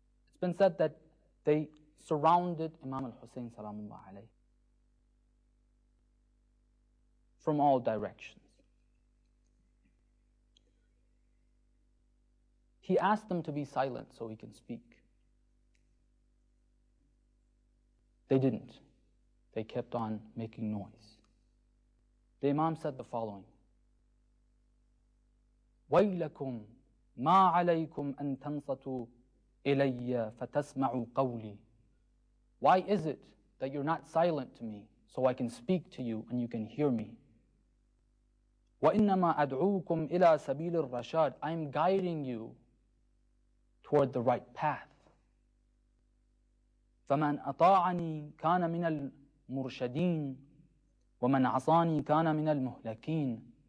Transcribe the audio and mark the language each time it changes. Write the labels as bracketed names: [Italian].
[English] It's been said that they surrounded Imam al-Husayn salamullah alayhi from all directions. He asked them to be silent so he can speak. They didn't. They kept on making noise. The Imam said the following, [Arabic] وَيْلَكُمْ مَا عَلَيْكُمْ أَن تَنْصَتُوا إِلَيَّ فَتَسْمَعُوا قَوْلِي. [English] Why is it that you're not silent to me so I can speak to you and you can hear me? [Arabic] وَإِنَّمَا أَدْعُوكُمْ إِلَىٰ سَبِيلِ الرَّشَادِ. [English] I'm guiding you toward the right path. [Arabic] فَمَنْ أَطَاعَنِي كَانَ مِنَ الْمُرْشَدِينَ وَمَنْ عَصَانِي كَانَ مِنَ الْمُهْلَكِينَ.